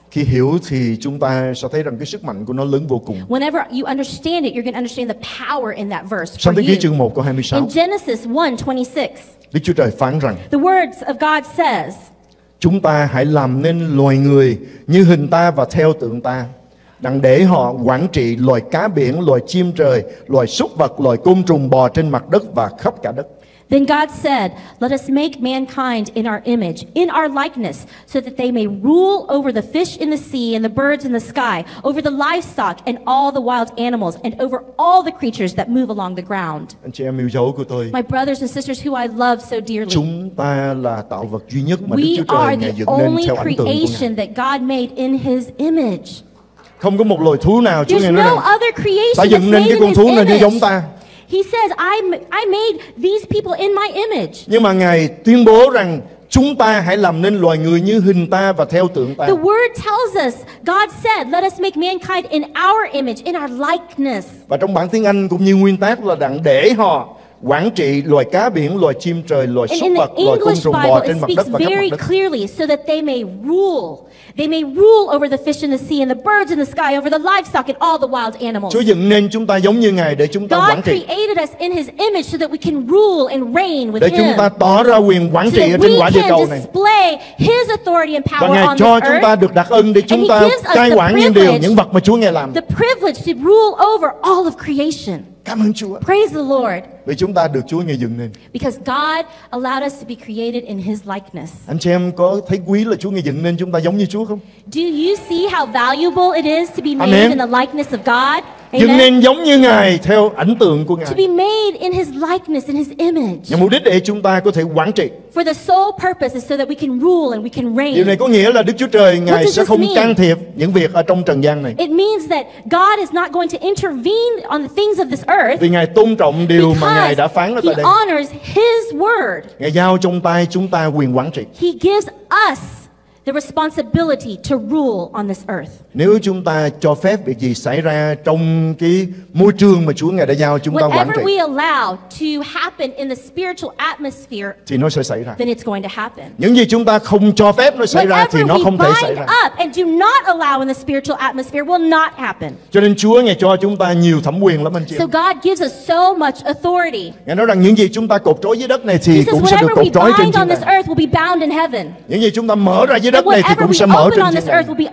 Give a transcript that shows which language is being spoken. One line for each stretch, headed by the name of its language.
Vietnamese: Khi hiểu thì chúng ta sẽ thấy rằng cái sức mạnh của nó lớn vô cùng.
English: Whenever you understand it, you're going to understand the power in that verse.
Vietnamese: Sáng thế ký chương 1 câu 26.
English: In Genesis 1:26.
Vietnamese: Đức Chúa Trời phán rằng.
English: The words of God says.
Vietnamese: Chúng ta hãy làm nên loài người như hình ta và theo tượng ta. Đặng để họ quản trị loài cá biển, loài chim trời, loài súc vật, loài côn trùng bò trên mặt đất và khắp cả đất.
English: Then God said, let us make mankind in our image, in our likeness, so that they may rule over the fish in the sea and the birds in the sky, over the livestock and all the wild animals, and over all the creatures that move along the ground.
Vietnamese: Anh chị em yêu dấu của tôi.
English: My brothers and sisters who I love so dearly.
Vietnamese: Chúng ta là tạo vật duy nhất mà
English: we
Vietnamese: Đức Chúa Trời ngài dựng nên theo ảnh tượng của ngài.
English: That God made in His image.
Vietnamese: Không có một loài thú nào Chúa ngài nói đã dựng nên cái con thú này như giống ta.
English: He says, I made these people in my image.
Vietnamese: Nhưng mà ngài tuyên bố rằng chúng ta hãy làm nên loài người như hình ta và theo tượng ta.
English: The word tells us, God said, let us make mankind in our image, in our likeness.
Vietnamese: Và trong bản tiếng Anh cũng như nguyên tác là đặng để họ quản trị loài cá biển, loài chim trời, loài súc vật, loài côn trùng bò trên mặt đất và các mặt đất.
English: Clearly so that they may rule. They may rule over the fish in the sea and the birds in the sky, over the livestock and all the wild animals.
Vietnamese: Chúa dựng nên chúng ta giống như Ngài để chúng ta quản trị.
English: God created us in His image so that we can rule and reign with Him.
Vietnamese: Để chúng ta tỏ ra quyền quản trị ở trên quả địa cầu này.
English: Display His authority and power on earth.
Vietnamese: Ngài cho chúng ta được đặc ân để chúng ta cai quản những điều, những vật mà Chúa Ngài làm.
English: The privilege to rule over all of creation.
Vietnamese: Cảm ơn Chúa.
English: Praise the Lord.
Vietnamese: Vì chúng ta được Chúa Ngài dựng nên.
English: Because God allowed us to be created in His likeness.
Vietnamese: Anh chị em có thấy quý là Chúa Ngài dựng nên chúng ta giống như Chúa không?
English: Do you see how valuable it is to be made Amen. In the likeness of God? Amen.
Vietnamese: Dựng nên giống như Ngài theo ảnh tượng của Ngài.
English: To be made in His likeness, in His image.
Vietnamese: Nhằm mục đích để chúng ta có thể quản trị.
English: For the sole purpose is so that we can rule and we can reign.
Vietnamese: Điều này có nghĩa là Đức Chúa Trời Ngài sẽ không can thiệp những việc ở trong trần gian này.
English: It means that God is not going to intervene on the things of this earth.
Vietnamese: Vì Ngài tôn trọng điều mà Ngài đã phán ở tại đây.
English: He honors His word.
Vietnamese: Ngài giao trong tay chúng ta quyền quản trị.
English: He gives us the responsibility to rule on this earth.
Vietnamese: Nếu chúng ta cho phép việc gì xảy ra trong cái môi trường mà Chúa Ngài đã giao chúng ta quản trị,
English: whatever we allow to happen in the spiritual atmosphere,
Vietnamese: thì nó sẽ xảy ra.
English: Then it's going to happen.
Vietnamese: Những gì chúng ta không cho phép nó xảy
English: whatever
Vietnamese: ra thì nó không thể xảy ra.
English: Whatever we bind up and do not allow in the spiritual atmosphere will not happen.
Vietnamese: Cho nên Chúa Ngài cho chúng ta nhiều thẩm quyền lắm anh chị.
English: So God gives us so much authority.
Vietnamese: Ngài nói rằng những gì chúng ta cột trói dưới đất này thì
English: says,
Vietnamese: cũng sẽ được cột trói trên trời.
English: This earth will be bound in heaven.
Vietnamese: Những gì chúng ta mở ra dưới đất này thì cũng sẽ mở trên trời.